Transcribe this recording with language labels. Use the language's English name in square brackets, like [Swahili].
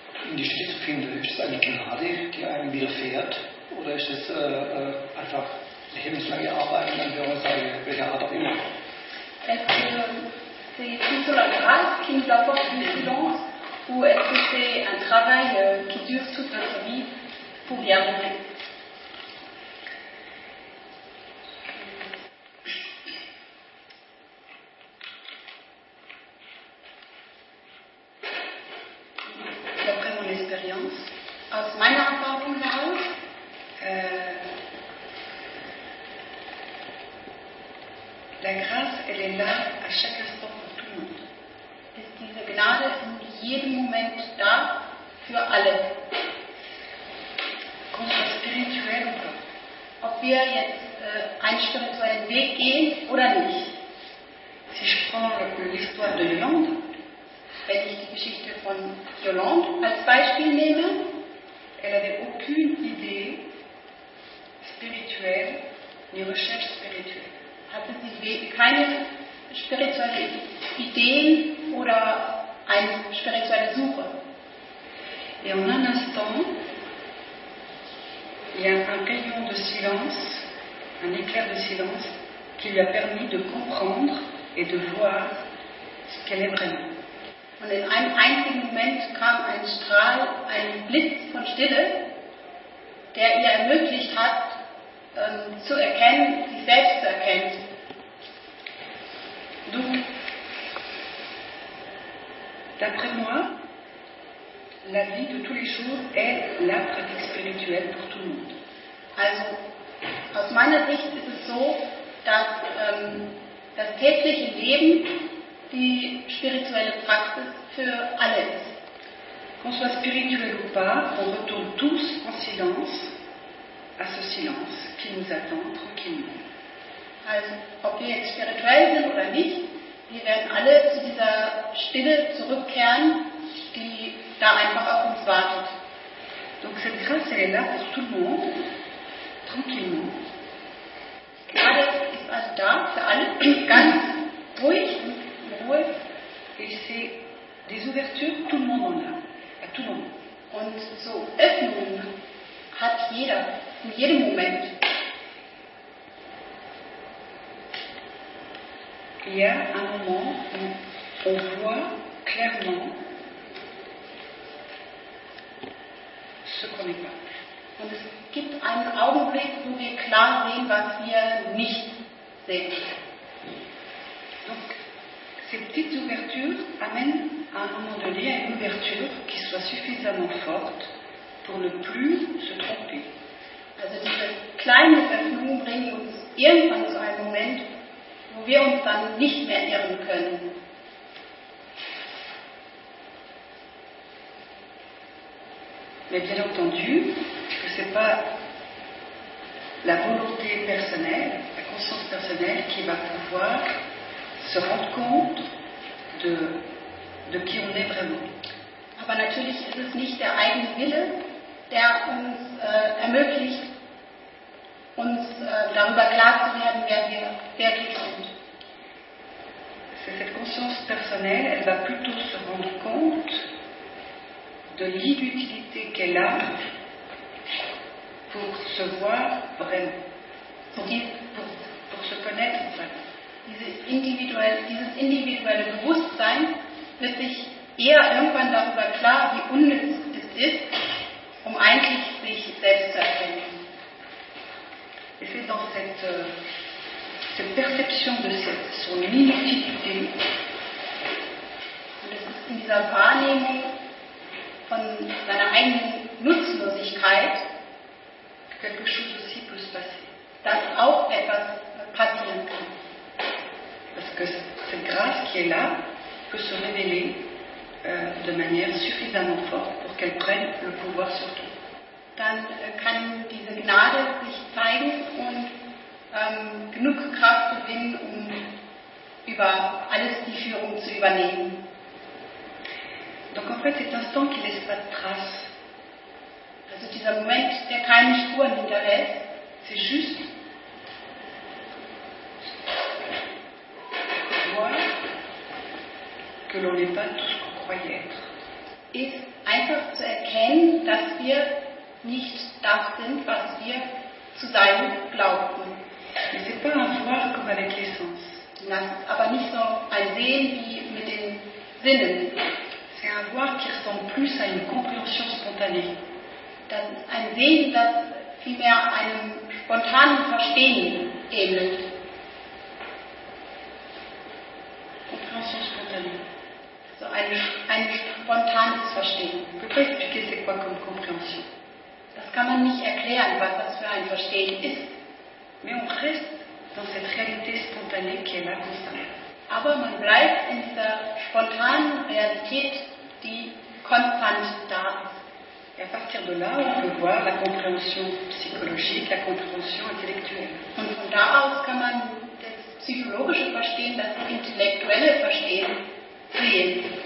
[German] in die Stille zu kriegen, ist das eine Gnade, die einem widerfährt? Oder ist das einfach lebenslange Arbeit, dann würde man sagen, welcher Art auch immer? [French] Est-ce que c'est plutôt la grâce qui nous apporte le silence ou est-ce que c'est un travail qui dure toute notre vie pour y arriver? D'après mon expérience, [German] aus meiner Erfahrung heraus, [French] la grâce, elle est là à chaque instant pour tout le monde. [German] Ist diese Gnade in jedem Moment da für alle. [French] Qu'on soit spirituel ou pas. [German] Ob wir jetzt einen spirituellen Weg gehen oder nicht. [French] Si je prends l'histoire de Yolande, [German] wenn ich die Geschichte von Yolande als Beispiel nehme, [French] elle avait aucune idée spirituelle, ni recherche spirituelle. [German] Hatte sie keine spirituelle Idee oder eine spirituelle Suche. [French] Et en un instant, il y a un rayon de silence, un éclair de silence, qui lui a permis de comprendre et de voir ce qu'elle est vraiment. [German] Und in einem einzigen Moment kam ein Strahl, ein Blitz von Stille, der ihr ermöglicht hat, zu erkennen, sich selbst zu erkennen. [French] Donc, d'après moi, la vie de tous les jours est la pratique spirituelle pour tout le monde. [German] Also, aus meiner Sicht ist es so, dass das tägliche Leben die spirituelle Praxis für alle ist. [French] Qu'on soit spirituel ou pas, on retourne tous en silence à ce silence qui nous attend tranquillement. [German] Also, ob wir jetzt spirituell sind oder nicht, wir werden alle zu dieser Stille zurückkehren, die da einfach auf uns wartet. [French] Donc cette grâce est là pour tout le monde, tranquillement. [German] Gnade ist also da für alle, ganz ruhig, in Ruhe. [French] Et c'est des ouvertures, tout le monde en a, à tout le monde. [German] Und so Öffnung hat jeder, in jedem Moment. [French] Il y a un moment où on voit clairement ce qu'on n'est pas. [German] Und es gibt einen Augenblick, wo wir klar sehen, was wir nicht sehen. [French] Donc, ces petites ouvertures amènent à un moment donné à une ouverture qui soit suffisamment forte pour ne plus se tromper. [German] Also diese kleinen Öffnungen bringen uns irgendwann zu einem Moment, wo wir uns dann nicht mehr irren können. [French] Mais bien entendu, que c'est pas la volonté personnelle, la conscience personnelle qui va pouvoir se rendre compte de qui on est vraiment. [German] Aber natürlich ist es nicht der eigene Wille, der uns ermöglicht, uns darüber klar zu werden, wer wir wirklich sind. [French] C'est cette conscience personnelle, elle va plutôt se rendre compte de l'inutilité qu'elle a pour se voir vraiment, pour se connaître vraiment. [German] Dieses individuelle Bewusstsein wird sich eher irgendwann darüber klar, wie unnütz es ist, um eigentlich sich selbst zu erkennen. [French] Et c'est dans cette perception de son inutilité. [German] Und es ist in dieser Wahrnehmung von seiner eigenen Nutzlosigkeit, [French] quelque chose aussi peut se passer. [German] Dass auch etwas passieren kann. [French] Parce que cette grâce qui est là peut se révéler de manière suffisamment forte pour qu'elle prenne le pouvoir sur tout. [German] Dann kann diese Gnade sich zeigen und genug Kraft gewinnen, um über alles die Führung zu übernehmen. [French] Donc en fait, cet instant qui laisse pas de trace. [German] Also dieser Moment, der keine Spuren hinterlässt, [French] c'est juste voir que l'on n'est pas tout ce qu'on croyait être. [German] ist einfach zu erkennen, dass wir nicht das sind, was wir zu sein glaubten. [French] Mais c'est pas un voir comme avec les sens. [German] Non, aber nicht so ein Sehen wie mit den Sinnen. [French] C'est un voir qui ressemble plus à une compréhension spontanée. [German] Das ist ein Sehen, das vielmehr einem spontanen Verstehen ähnelt. [French] Compréhension spontanée. [German] So ein spontanes Verstehen. [French] Je peux expliquer c'est quoi comme compréhension. [German] Das kann man nicht erklären, was das für ein Verstehen ist. [French] Mais on reste dans cette réalité spontanée qui est là constamment. [German] Aber man bleibt in dieser spontanen Realität, die konstant da ist. [French] Et à partir de là, on peut voir la compréhension psychologique, la compréhension intellectuelle. [German] Und von da aus kann man das psychologische Verstehen, das intellektuelle Verstehen sehen.